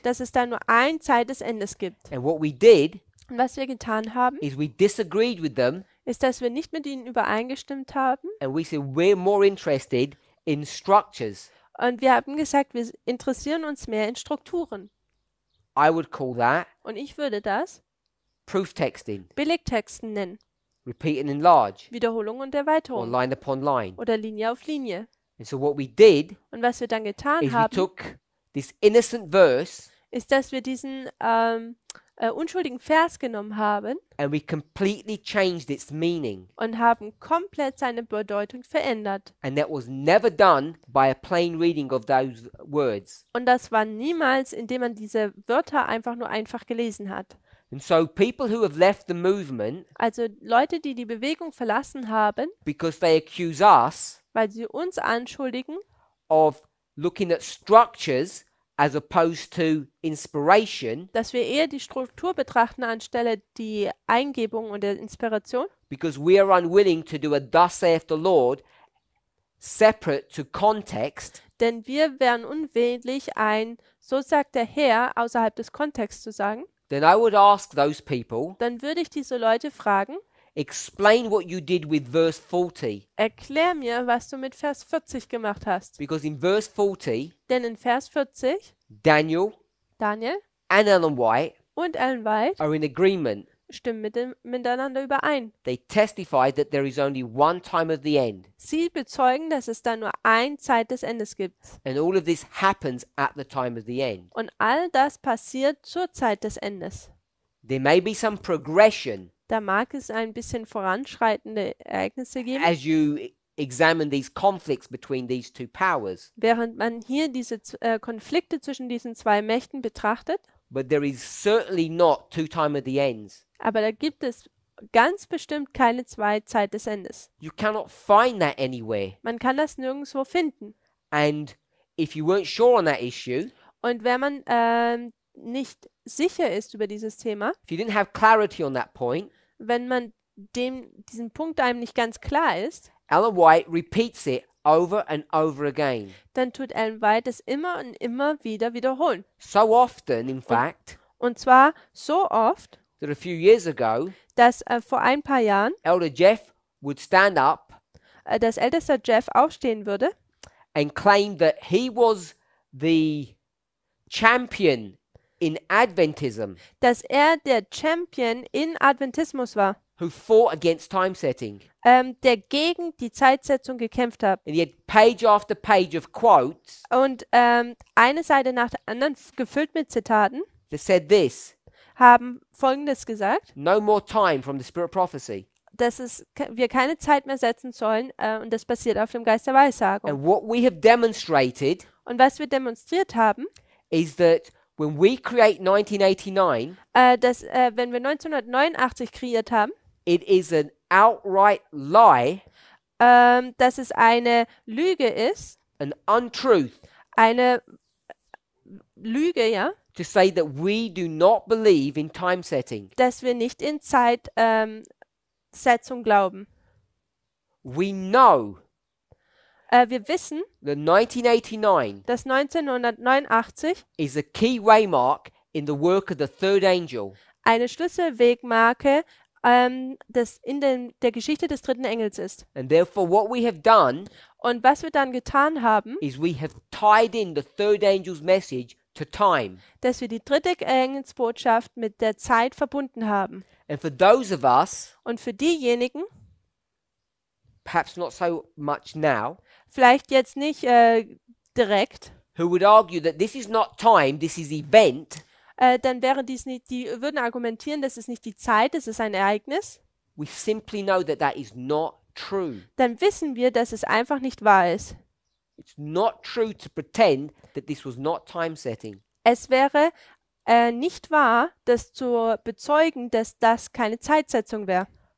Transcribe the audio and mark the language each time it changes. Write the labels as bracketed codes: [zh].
[de] Dass es da nur ein Zeit des Endes gibt. [en] And what we did, [de] und was wir getan haben, [en] is we disagreed with them, [de] ist, dass wir nicht mit ihnen übereingestimmt haben. [en] And we said we're more interested in structures. [de] Und wir haben gesagt, wir interessieren uns mehr in Strukturen. [en] I would call that, [de] und ich würde das, [en] proof texting. [de] Belegtexten nennen. [en] Repeat and enlarge. [de] Wiederholung und Erweiterung. [en] Or line upon line. [de] Oder Linie auf Linie. [en] And so what we did, [de] und was wir dann getan [en] is [de] haben, [en] we took this innocent verse, [de] ist, dass wir diesen unschuldigen Vers genommen haben, [en] and we completely changed its meaning, [de] und haben komplett seine Bedeutung verändert. [en] And that was never done by a plain reading of those words. [de] Und das war niemals, indem man diese Wörter einfach nur einfach gelesen hat. [en] And so people who have left the movement, [de] also Leute, die die Bewegung verlassen haben, [en] because they accuse us, [de] weil sie uns anschuldigen, [en] of looking at structures as opposed to inspiration, [de] dass wir eher die Struktur betrachten anstelle die Eingebung und der Inspiration, [en] because we are unwilling to do a thus saith the Lord separate to context, [de] denn wir wären unwillig, ein so sagt der Herr außerhalb des Kontexts zu sagen. [en] Then I would ask those people, [de] dann würde ich diese Leute fragen, [en] explain what you did with verse 40. [de] Erklär mir, was du mit Vers 40 gemacht hast. [en] Because in verse 40, [de] denn in Vers 40, [en] Daniel and Ellen White [de] und Ellen White [en] are in agreement, [de] stimmen miteinander überein. [en] They testify that there is only one time at the end. [de] Sie bezeugen, dass es da nur ein Zeit des Endes gibt. [en] And all of this happens at the time of the end. [de] Und all das passiert zur Zeit des Endes. [en] There may be some progression. [de] Da mag es ein bisschen voranschreitende Ereignisse geben. [en] As you examine these conflicts between these two powers. [de] Während man hier diese Konflikte zwischen diesen zwei Mächten betrachtet. [en] But there is certainly not two time at the ends. [de] Aber da gibt es ganz bestimmt keine zwei Zeit des Endes. [en] You cannot find that anywhere. [de] Man kann das nirgendwo finden. [en] And if you weren't sure on that issue, [de] und wenn man nicht sicher ist über dieses Thema, [en] if you didn't have clarity on that point, [de] wenn man diesem Punkt einem nicht ganz klar ist, [en] Ellen White repeats it over and over again. [de] Dann tut Ellen White es immer und immer wieder wiederholen. [en] So often, in fact. [de] Und zwar so oft, [en] that a few years ago, [de] dass vor ein paar Jahren, [en] Elder Jeff would stand up, [de] dass Ältester Jeff aufstehen würde, [en] and claim that he was the champion in Adventism. [de] Dass der Champion in Adventismus war. [en] Who fought against time setting. [de] Der gegen die Zeitsetzung gekämpft hat. [en] And he had page after page of quotes. [de] Und eine Seite nach der anderen gefüllt mit Zitaten. [en] They said this. [de] Haben Folgendes gesagt. [en] No more time from the spirit of prophecy. [de] Dass wir keine Zeit mehr setzen sollen und das basiert auf dem Geist der Weissagung. [en] And what we have demonstrated. [de] Und was wir demonstriert haben. [en] Is that when we create 1989. [de] Wenn wir 1989 kreiert haben. [en] It is an outright lie. [de] Dass es eine Lüge ist. [en] An untruth. [de] Eine Lüge, ja. [en] To say that we do not believe in time setting. [de] Dass wir nicht in Zeit Setzung glauben. [en] We know. [de] Wir wissen. [en] The 1989. [de] Dass 1989. [en] Is a key waymark in the work of the third angel. [de] Eine Schlüsselwegmarke. Das in der Geschichte des dritten Engels ist. [en] And therefore what we have done, [de] und was wir dann getan haben, [en] is we have tied in the third angel's message to time. [de] Dass wir die dritte Engelsbotschaft mit der Zeit verbunden haben. [en] And for those of us, [de] und für diejenigen, [en] perhaps not so much now, [de] vielleicht jetzt nicht direkt, [en] who would argue that this is not time, this is event, [de] dann wären dies nicht, die würden argumentieren, das ist nicht die Zeit, das ist ein Ereignis. [en] We simply know that that is not true. [de] Dann wissen wir, dass es einfach nicht wahr ist. [en] It's not true to pretend that this was not time setting. [de] Es wäre nicht wahr, das zu bezeugen, dass das keine Zeitsetzung wäre.